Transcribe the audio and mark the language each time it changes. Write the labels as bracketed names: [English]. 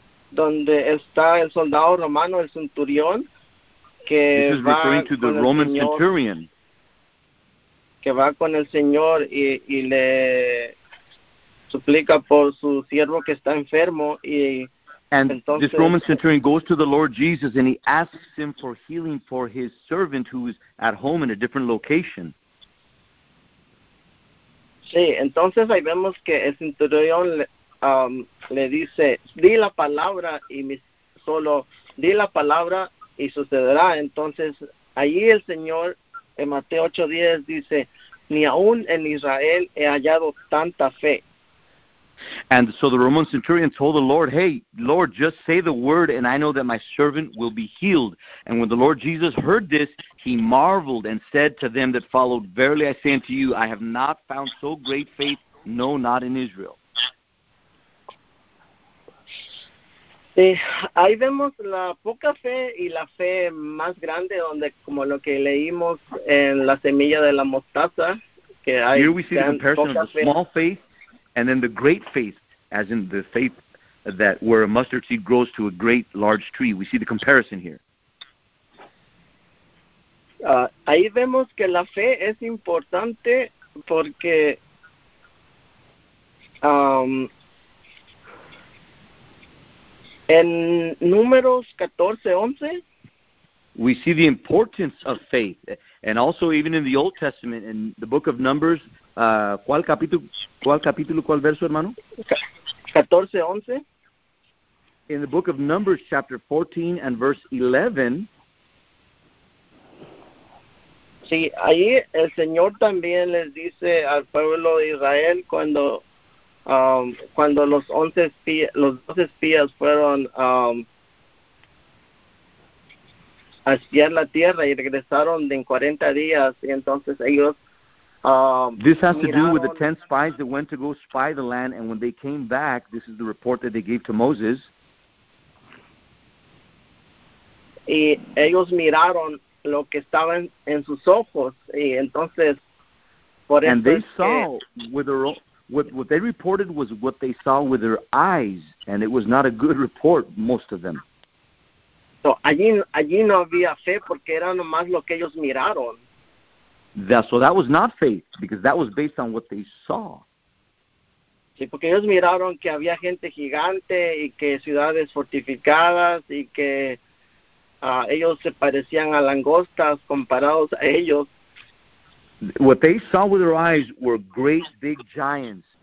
[Spanish] Donde está el soldado romano, el centurión, que [English] this is referring to the Roman [Spanish] Señor, [English] centurion. [Spanish] Que va con el Señor y le suplica por su siervo que está enfermo. [English] And [Spanish] entonces, [English] this Roman centurion goes to the Lord Jesus and he asks him for healing for his servant who is at home in a different location. [Spanish] Sí, entonces ahí vemos que el centurión le dice, di la palabra y di la palabra y sucederá. Entonces allí el Señor en Mateo 8:10 dice, ni aún en Israel he hallado tanta fe. [English] And so the Roman centurion told the Lord, hey, Lord, just say the word, and I know that my servant will be healed. And when the Lord Jesus heard this, he marveled and said to them that followed, verily I say unto you, I have not found so great faith, no, not in Israel. [Spanish] Ahí vemos la poca fe y la fe más grande, donde como lo que leímos en la semilla de la mostaza, que hay. [English] Here we see the comparison of the small faith. And then the great faith, as in the faith that where a mustard seed grows to a great large tree. We see the comparison here. [Spanish] Ahí vemos que la fe es importante porque en Números 14:11. [English] We see the importance of faith. And also even in the Old Testament, in the book of Numbers, [Spanish] ¿cuál verso, hermano? 14:11. [English] In the book of Numbers, chapter 14 and verse 11. [Spanish] Sí, ahí el Señor también les dice al pueblo de Israel cuando cuando los doce espías fueron a espiar la tierra y regresaron en 40 días y entonces ellos. [English] This has to do with the 10 spies that went to go spy the land, and when they came back, this is the report that they gave to Moses. [Spanish] Y ellos miraron lo que estaba en sus ojos, y entonces, por eso [English] and they saw with their what they reported was what they saw with their eyes, and it was not a good report, most of them. [Spanish] So, allí no había fe porque era nomás lo que ellos miraron. [English] So that was not faith, because that was based on what they saw. [Spanish] Sí, porque ellos miraron que había gente gigante y que ciudades fortificadas y que ellos se parecían a langostas comparados a ellos. [English] What they saw with their eyes were great big giants,